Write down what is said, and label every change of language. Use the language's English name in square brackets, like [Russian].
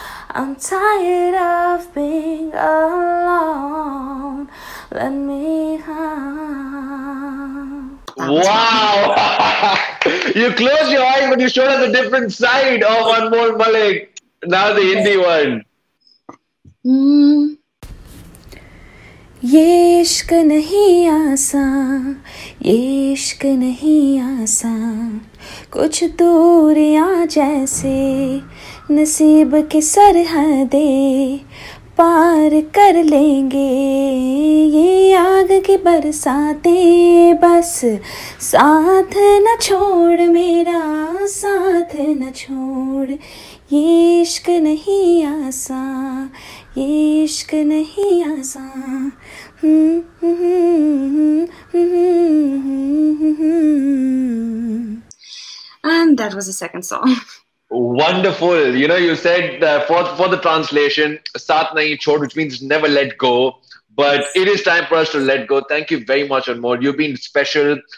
[English] I'm tired of being alone. Let me come. Wow! You closed your eyes, but you showed us a different side of Anmol Malik. Now the Hindi one. [Hindi] ये इश्क नहीं आसान, ये इश्क नहीं आसान, कुछ दूरियां जैसे नसीब की सरहदे पार कर लेंगे, ये आग की बरसाते बस साथ न छोड़, मेरा साथ न छोड़, ये इश्क नहीं आसान, ये इश्क नहीं आसान. [English] And that was the second song. Wonderful. You know, you said for the translation, [Hindi] Saath Nahi Chhod, [English] which means never let go. But it is time for us to let go. Thank you very much, Anmol. You've been special.